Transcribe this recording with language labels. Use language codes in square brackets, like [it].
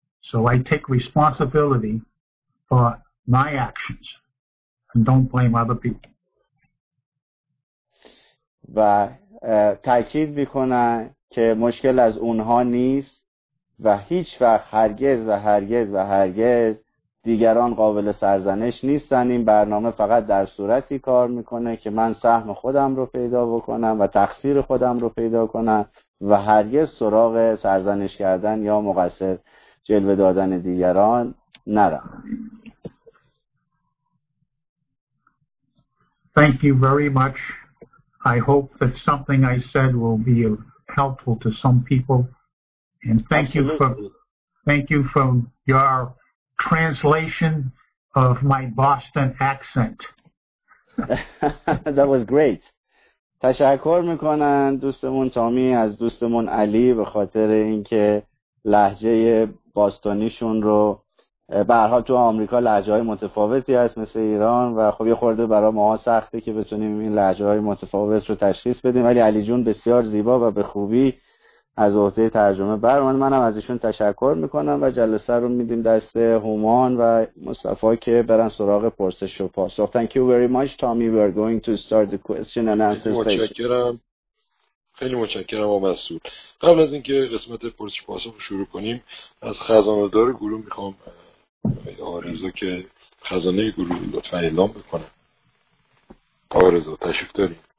[en] So I take responsibility for my actions and don't blame other people. [fa] و تأکید میکنن که مشکل از اونها نیست و هیچ وقت هرگز و هرگز و هرگز دیگران قابل سرزنش نیستن. این برنامه فقط در صورتی کار میکنه که من سهم خودم رو پیدا بکنم و تقصیر خودم رو پیدا کنم و هرگز سراغ سرزنش کردن یا مقصر جلوه دادن دیگران نرم. [en] Thank you very much. I hope that something I said will be helpful to some people. And thank you for your translation of my Boston accent. That was great. [fa] تشکر میکنن دوستمون تامی از دوستمون علی به خاطر اینکه لهجه باستانیشون رو به هر حال تو آمریکا لهجه‌های متفاوتی هست مثل ایران و خب یه خورده برای ما سخته که بتونیم این لهجه‌های متفاوت رو تشخیص بدیم ولی علی جون بسیار زیبا و به خوبی از عهده ترجمه بر اومد. منم از ایشون تشکر میکنم و جلسه رو میدیم دست هومان و مصطفی که برن سراغ پرسش و پاسخ. [en] Thank you very much, Tommy. We are going to start the question and answer [fa] session. خیلی متشکرم آقای مسعود. قبل از اینکه قسمت پرسش پاسخ شروع کنیم از خزانه‌دار گروه میخوام آرزو که خزانه گروه لطفا اعلام بکنم. آرزو تشریف داریم.